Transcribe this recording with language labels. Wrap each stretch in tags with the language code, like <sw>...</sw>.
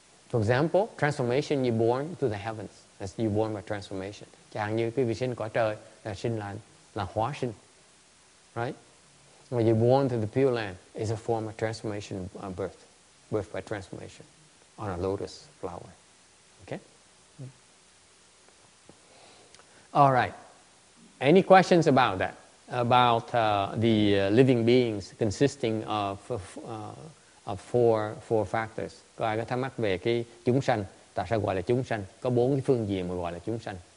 <en>For example, transformation, you're born to the heavens. That's you born by transformation.</en> <vi>Chẳng như quý vị sinh cõi trời là sinh là hóa sinh.</vi> <en>Right? When you're born to the pure land, it's a form of transformation birth. Birth by transformation on a lotus flower. Okay? All right. Any questions about that? About the living beings consisting of four factors.</en> <vi>Có ai có thắc mắc về cái chúng sanh? Tại sao gọi là chúng sanh? Có bốn cái phương diện mà gọi là chúng sanh.</vi>